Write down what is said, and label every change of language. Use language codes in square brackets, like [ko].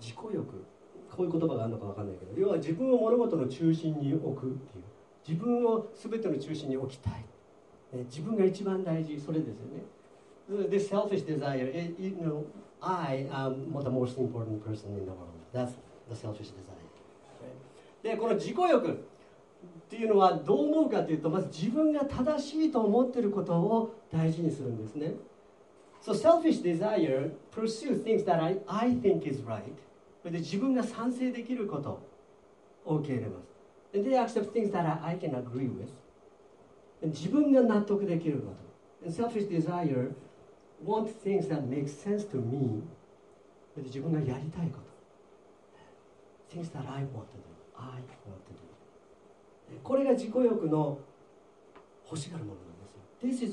[ja] 自己欲、こういう言葉があるのか分かんないけど、要は自分を物事の中心に置くっていう、自分を全ての中心に置きたい、ね、自分が一番大事、それですよね。 [en] This selfish desire, you know, I am the most important person in the world. That's the selfish desire. [ja] で、この自己欲っていうのはどう思うかというと、まず自分が正しいと思っていることを大事にするんですね。 [en] So selfish desire pursues things that I think is right. [ja] それで自分が賛成できることを受け入れます。 [en] And they accept things that I can agree with. [ja] And 自分が納得できること。 [en] And selfish desire wants things that make sense to me. [ja] それで自分がやりたいこと。 [en] Things that I want to do. I want to do. [ja] これが自己欲の欲しがるものなんですよ。